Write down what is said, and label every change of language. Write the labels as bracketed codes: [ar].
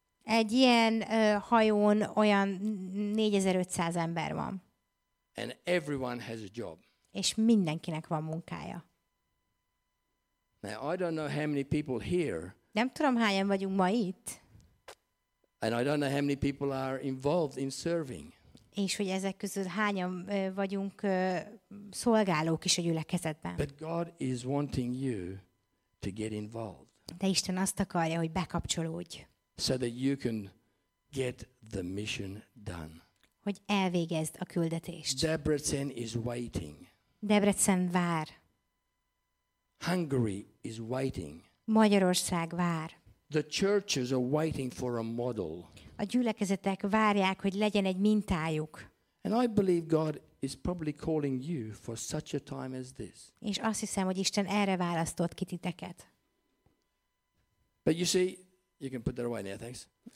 [hu] Egy ilyen hajón olyan 4500 ember van. [en] And everyone has a job. [hu] És mindenkinek van munkája. [en] Now, I don't know how many people here. [hu] Nem tudom, hányan vagyunk ma itt. [en] And I don't know how many people are involved in serving. [hu] És hogy ezek közül hányan vagyunk szolgálók is a gyülekezetben. [en] But God is wanting you to get involved. [hu] De Isten azt akarja, hogy bekapcsolódj. [en] So that you can get the mission done. [hu] Hogy elvégezd a küldetést. [en] Debrecen is waiting. [hu] Debrecen vár. [en] Hungary is waiting. [hu] Magyarország vár. [en] The churches are waiting for a model. [hu] A gyülekezetek várják, hogy legyen egy mintájuk. [en] And I believe God is probably calling you for such a time as this. [hu] És azt hiszem, hogy Isten erre választott ki titeket. [en] But you see, you can put that away now, thanks.